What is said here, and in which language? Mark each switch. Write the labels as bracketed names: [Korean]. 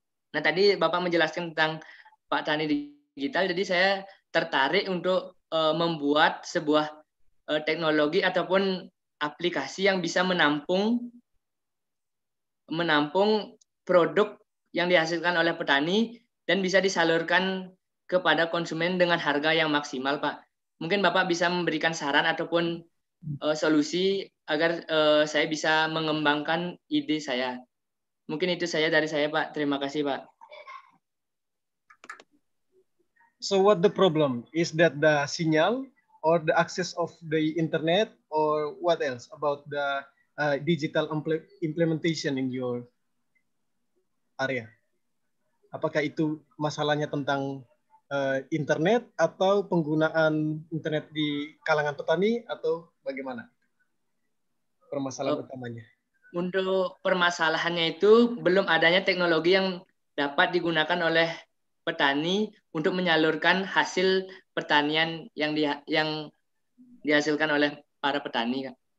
[Indonesian] Nah, tadi Bapak menjelaskan tentang Pak Tani Digital, jadi saya tertarik untuk membuat sebuah teknologi ataupun aplikasi yang bisa menampung produk yang dihasilkan oleh petani dan bisa disalurkan kepada konsumen dengan harga yang maksimal, Pak. Mungkin Bapak bisa memberikan saran ataupun solusi agar saya bisa mengembangkan ide saya. Mungkin itu saja dari saya, Pak. Terima kasih, Pak. [English] So what the problem? Is that the signal or the access of the internet or what else about the digital implementation in your area? [Indonesian] Apakah itu masalahnya tentang internet atau penggunaan internet di kalangan petani atau bagaimana permasalahan utamanya? Untuk permasalahannya itu belum adanya teknologi yang dapat digunakan oleh petani untuk menyalurkan hasil pertanian yang dihasilkan oleh para petani.